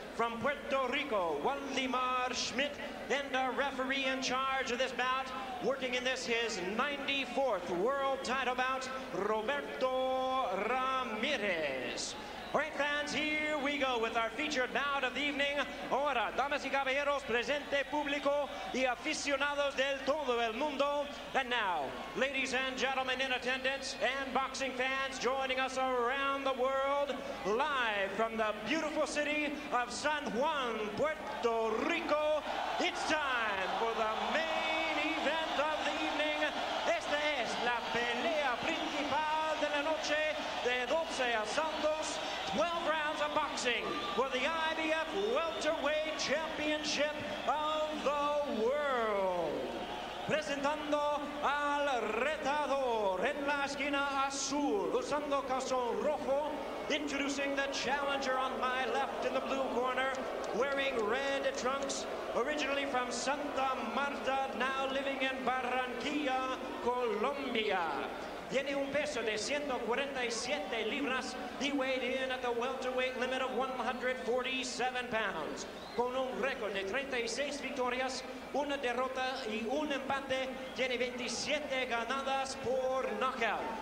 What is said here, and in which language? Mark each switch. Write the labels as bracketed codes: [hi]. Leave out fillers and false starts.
[en] From Puerto Rico, Waldemar Schmidt. And our referee in charge of this bout, working in this his 94th world title bout, Roberto Ramirez. All right, fans, here we go with our featured bout of the evening. [es] Ahora, damas y caballeros, presente público y aficionados del todo el mundo. [en] And now, ladies and gentlemen in attendance and boxing fans joining us around the world, live from the beautiful city of San Juan, Puerto Rico, it's time for the main event of the evening. [es] Esta es la pelea principal de la noche de 12 asaltos. [en] 12 rounds of boxing for the IBF Welterweight Championship of the World. [es] Presentando al retador en la esquina azul, usando calzón rojo, [en] introducing the challenger on my left in the blue corner, wearing red trunks, originally from Santa Marta, now living in Barranquilla, Colombia. [es] Tiene un peso de 147 libras. [en] He weighed in at the welterweight limit of 147 pounds. [es] Con un récord de 36 victorias, una derrota y un empate, tiene 27 ganadas por knockout.